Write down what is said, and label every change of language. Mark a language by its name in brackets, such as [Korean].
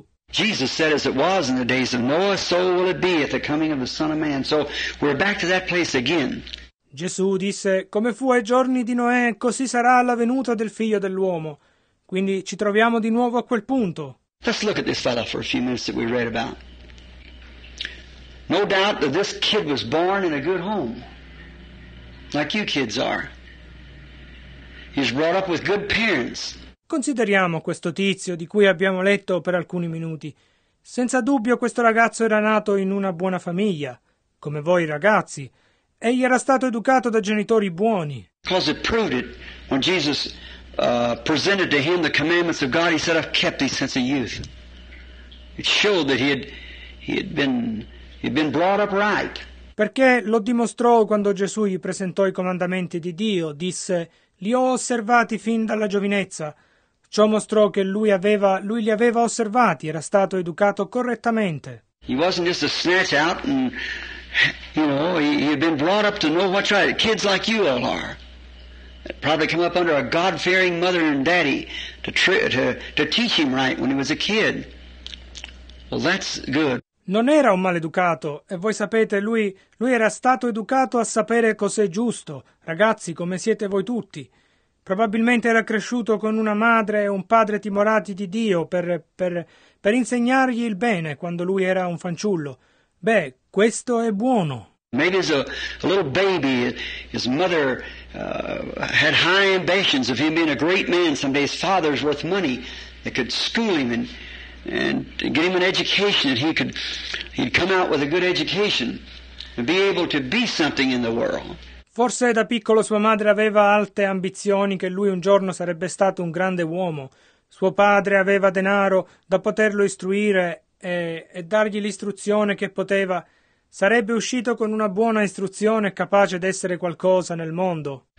[English] Jesus said, as it was in the days of Noah, so will it be at the coming of the Son of Man. So we're back to that place again. [Italian] Gesù disse, come fu ai giorni di Noè, così sarà alla venuta del Figlio dell'Uomo. Quindi ci troviamo di nuovo a quel punto. [English] Let's look at this fellow for a few minutes that we read about. No doubt that this kid was born in a good home, like you kids are. He's brought up with good parents. [Italian] Consideriamo questo tizio di cui abbiamo letto per alcuni minuti. Senza dubbio questo ragazzo era nato in una buona famiglia, come voi ragazzi. Egli era stato educato da genitori buoni. [English] Because it proved it when Jesus presented to him the commandments of God, he said, "I've kept these since a youth." It showed that he had been brought up right. [Italian] Perché lo dimostrò quando Gesù gli presentò i comandamenti di Dio, disse, li ho osservati fin dalla giovinezza. Ciò mostrò che lui li aveva osservati, era stato educato correttamente. [English] He wasn't just a snatch out and, you know, he had been brought up to know what's right. Kids like you all are. Probably come up under a God-fearing mother and daddy to teach him right when he was a kid. Well, that's good. [Italian] Non era un maleducato, e voi sapete, lui era stato educato a sapere cos'è giusto, ragazzi, come siete voi tutti. Probabilmente era cresciuto con una madre e un padre timorati di Dio per insegnargli il bene quando lui era un fanciullo. Beh, questo è buono. [English] Maybe as a little baby, his mother had high ambitions of him being a great man someday. His father's worth money that could school him and get him an education, and he'd come out with a good education and be able to be something in the world. [Italian] Forse da piccolo sua madre aveva alte ambizioni che lui un giorno sarebbe stato un grande uomo. Suo padre aveva denaro da poterlo istruire e dargli l'istruzione che poteva. Sarebbe uscito con una buona istruzione, capace d'essere qualcosa nel mondo.